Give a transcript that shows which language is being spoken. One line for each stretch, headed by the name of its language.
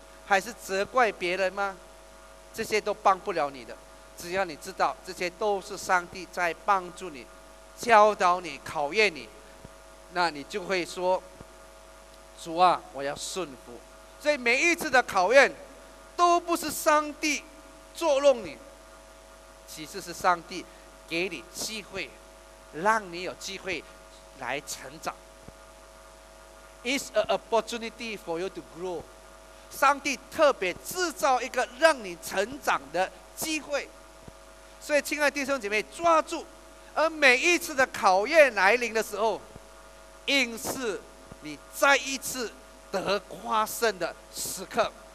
Chinese: 还是责怪别人吗？这些都帮不了你的，只要你知道这些都是上帝在帮助你、教导你、考验你，那你就会说，主啊，我要顺服。所以每一次的考验都不是上帝捉弄你，其实是上帝给你机会，让你有机会来成长。
English: It's an opportunity for you to grow。
Chinese: 上帝特别制造一个让你成长的机会。所以亲爱的弟兄姐妹，抓住。而每一次的考验来临的时候，应是你再一次得夸胜的时刻。